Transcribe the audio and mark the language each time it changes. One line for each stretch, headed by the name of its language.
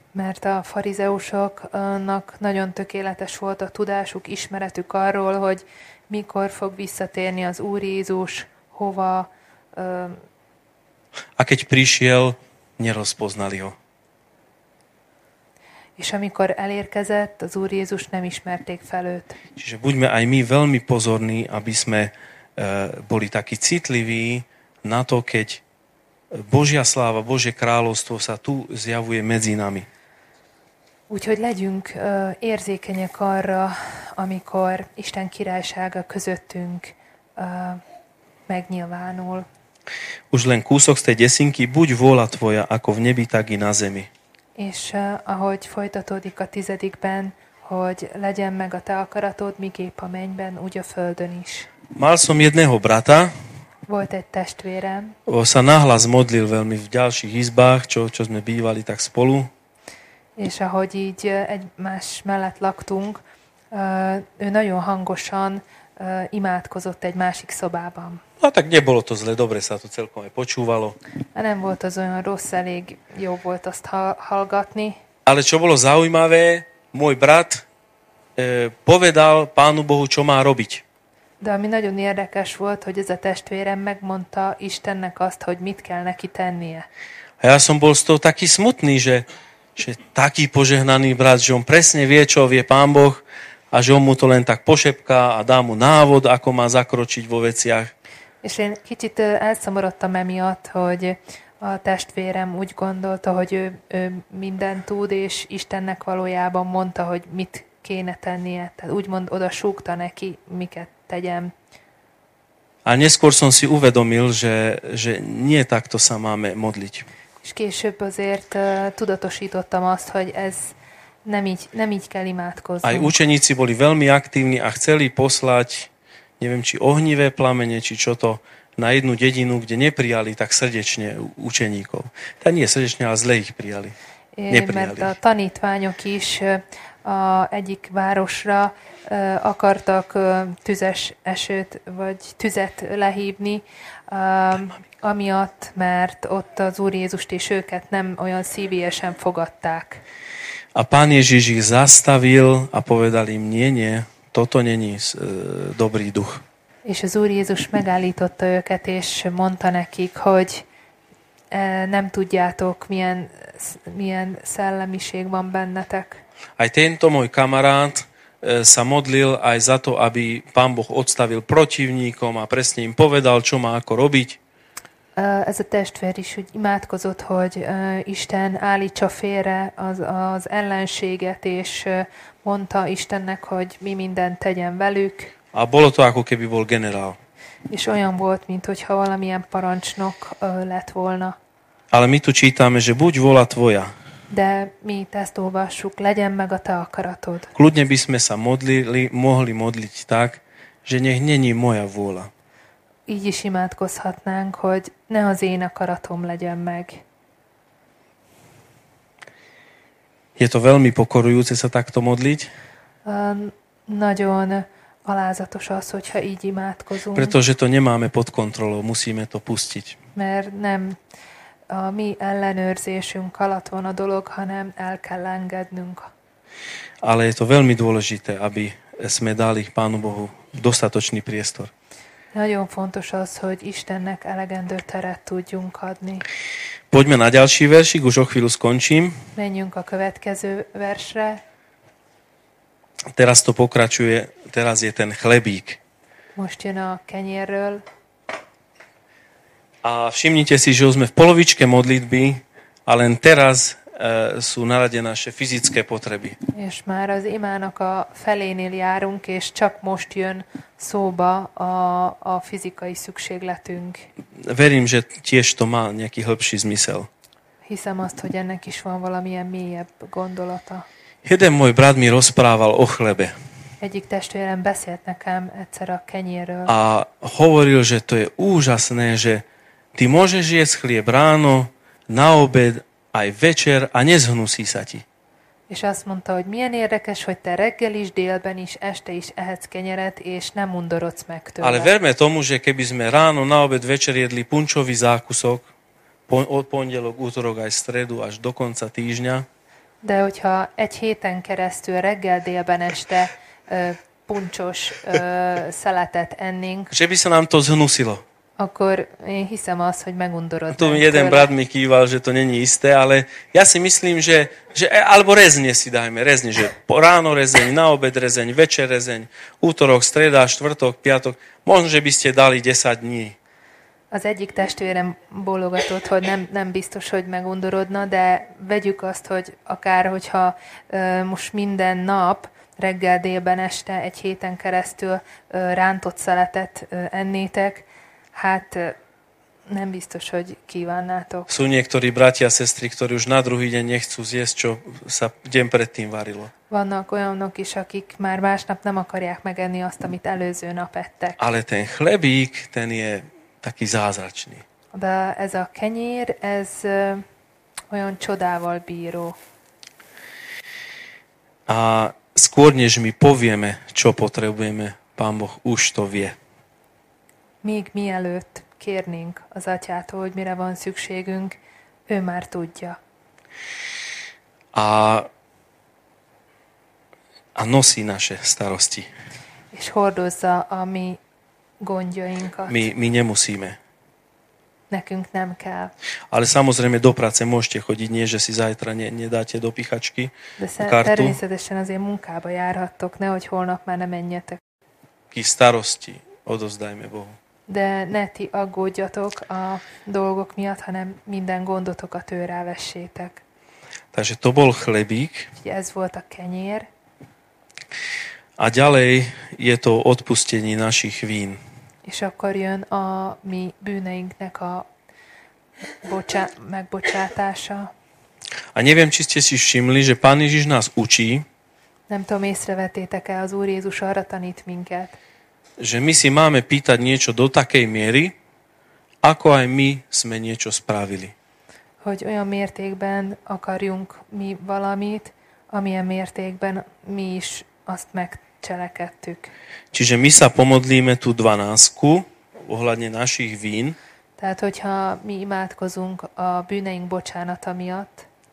Hungarian: Mert a farizeusoknak nagyon tökéletes volt a tudásuk, ismeretük arról, hogy mikor fog visszatérni az Úr Jézus, hova.
Slovak: A keď prišiel, nerozpoznali ho.
Hungarian: És amikor elérkezett, az Úr Jézus nem ismerték fel őt.
Slovak: Čiže buďme aj my veľmi pozorní, aby sme boli takí citliví na to, keď Božia sláva, Božie kráľovstvo sa tu zjavuje medzi nami.
Hungarian: Úgyhogy legyünk érzékenyek arra, amikor Isten királysága közöttünk megnyilvánul.
Slovak: Už len kúsok z tej desinky, buď vôľa tvoja, ako v nebi, tak i na zemi.
Hungarian: És ahogy folytatódik a 10., hogy legyen meg a te akaratod, miképp a mennyben, úgy a földön is.
Slovak: Mal som jedného brata.
Hungarian: Volt egy testvérem.
Slovak: O sa nahlas modlil veľmi v ďalších izbách, čo sme bývali tak spolu.
Hungarian: És ahogy így egymás mellett laktunk, ő nagyon hangosan imádkozott egy másik szobában.
Slovak: No tak nebolo to zle, dobre sa to celkom aj počúvalo.
Hungarian: A nem volt az olyan rossz, elég jó volt azt hallgatni.
Slovak: Ale čo bolo zaujímavé, môj brat povedal Pánu Bohu, čo má robiť.
Hungarian: De ami nagyon érdekes volt, hogy ez a testvérem megmondta Istennek azt, hogy mit kell neki tennie.
Slovak: A ja som bol z toho taký smutný, že taký požehnaný brat, že on presne vie, čo vie Pán Boh a že on mu to len tak pošepká a dá mu návod, ako má zakročiť vo veciach.
Hungarian: És én kicsit elszomorodtam emiatt, hogy a testvérem úgy gondolta, hogy ő mindent tud, és Istennek valójában mondta, hogy mit kéne tennie. Tehát úgymond oda súgta neki, miket tegyem.
Slovak: A neskôr som si uvedomil, že nie takto sa máme modliť.
Hungarian: És később azért tudatosítottam azt, hogy ez nem így kell imádkozni.
Slovak: Aj učeníci boli veľmi aktívni a chceli poslať, neviem, či ohnivé plamene, či čo to, na jednu dedinu, kde neprijali tak srdečne učeníkov. Tak nie srdečne, ale zle ich prijali.
Hungarian: Mert a tanítványok is a egyik városra akartak tüzes esőt, vagy tüzet lehívni, amiatt, mert ott az Úr Jézust és őket nem olyan szívélyesen fogadták.
Slovak: A Pán Ježíš ich zastavil a povedal im, nie, toto není dobrý duch.
Hungarian: És az Úr Jézus megállította őket, és mondta nekik, hogy nem tudjátok, milyen szellemiség van bennetek.
Slovak: Aj tento môj kamarát sa modlil aj za to, aby Pán Boh odstavil protivníkom a presne im povedal, čo má ako robiť.
Hungarian: Ez a testvér is úgy imádkozott, hogy Isten állítsa félre az ellenséget, és mondta Istennek, hogy mi mindent tegyen velük.
Slovak: A bolo to, ako keby bol generál.
Hungarian: És olyan volt, mint hogyha valamilyen parancsnok lett volna.
Slovak: Ale my tu čítame, že buď vola tvoja.
Hungarian: De mi ezt olvassuk, legyen meg a te akaratod.
Slovak: Kľudne by sme sa mohli modliť tak, že nech není moja vôľa.
Hungarian: Így is imádkozhatnánk, hogy ne az én akaratom legyen meg.
Slovak: Je to veľmi pokorujúce sa takto modliť?
Hungarian: Nagyon alázatos az, hogyha így imádkozunk.
Slovak: Pretože to nemáme pod kontrolou, musíme to pustiť.
Hungarian: Mert nem a mi ellenőrzésünk alatt van a dolog, hanem el kell engednünk.
Slovak: Ale je to veľmi dôležité, aby sme dali Pánu Bohu dostatočný priestor.
Hungarian: Nagyon fontos az, hogy Istennek elegendő teret tudjunk adni.
Slovak: Poďme na ďalší versik, už o chvíľu skončím.
Hungarian: Menjünk a következő versre.
Slovak: Teraz to pokračuje, teraz je ten chlebík.
Hungarian: Most jön a kenyérről.
Slovak: A všimnite si, že už sme v polovičke modlitby a len teraz sú naradené naše fyzické potreby.
Hungarian: És már az imának a felénél járunk, és csak most jön szóba a fizikai szükségletünk.
Slovak: Verím, že tiež to má nejaký hlbší zmysel.
Hungarian: Hiszem azt, hogy ennek is van valamilyen mélyebb gondolata.
Slovak: Jeden môj brat mi rozprával o chlebe.
Hungarian: Egyik testvérem beszélt nekem egyszer a kenyérről.
Slovak: A hovoril, že to je úžasné, že ty môžeš jesť chlieb ráno, na obed, aj večer a nezhnusí sa ti.
Hungarian: És azt mondta, hogy milyen érdekes, hogy te reggel is, délben is, este is ehetsz kenyeret, és nem undorodsz meg tőle.
Slovak: Ale verme tomu, že keby sme ráno, na obed, večer jedli punčový zákusok, od pondelok, útorok aj stredu až do konca týždňa.
Hungarian: De hogyha egy héten keresztül reggel, délben, este puncsos szeletet ennénk,
Slovak: že by sa nám to zhnusilo.
Hungarian: Akkor én hiszem azt, hogy megundorod.
Slovak: Tudom, jeden brat mi kýval, že to není isté, ale ja si myslím, že alebo rezne si dajme, rezne, že ráno rezeň, na obed rezeň, večer rezeň, útorok, streda, štvrtok, piatok, možno, že by ste dali 10 dní.
Hungarian: Az egyik testvérem bólogatott, hogy nem biztos, hogy megundorodna, de vegyük azt, hogy akár, hogyha most minden nap, reggel, délben, este, egy héten keresztül rántott szeletet ennétek, hát nem biztos, hogy kívánnátok.
Slovak: Sú niektorí bratia, sestry, ktorí už na druhý deň nechcú zjesť, čo sa deň predtým varilo.
Hungarian: Vannak olyanok is, akik már másnap nem akarják megenni azt, amit előző nap ettek.
Slovak: Ale ten chlebík, ten je taký zázračný.
Hungarian: De ez a kenyér, ez olyan csodával bíró.
Slovak: A skôr, než my povieme, čo potrebujeme, Pán Boh už to vie.
Hungarian: Még mielőtt kérnénk az atyától, hogy mire van szükségünk, ő már tudja.
Slovak: a nosí naše starosti.
Hungarian: És hordozza a mi gondjainkat.
Slovak: Mi nemusíme.
Hungarian: Nekünk nem kell.
Slovak: Ale samozrejme do práce môžete chodiť, nie že si zajtra nedáte do pichačky kartu.
Hungarian: Természetesen azért munkába járhattok, nehogy holnap már ne menjetek.
Slovak: Ki starosti odozdajme Bohu.
Hungarian: De ne ti aggódjatok a dolgok miatt, hanem minden gondotokat ő rávessétek.
Slovak: Takže to bol chlebík.
Hungarian: Ez volt a kenyér.
Slovak: A ďalej je to odpustenie našich vín.
Hungarian: És akkor jön a mi bűneinknek a megbocsátása.
Slovak: A neviem, či ste si všimli, že Pán Ježiš nás učí.
Hungarian: Nem tudom, észrevetétek-e, az Úr Jézus arra tanít minket.
Slovak: Že my si máme pýtať niečo do takej miery, ako aj my sme niečo spravili.
Hungarian: Hogy olyan mértékben akarjunk mi valamit, amilyen mértékben mi is azt megcselekedtük.
Slovak: Čiže my sa pomodlíme tú dvanásku ohľadne našich vín.
Hungarian: Tehát, hogyha mi imádkozunk a bűneink bocsánata miatt.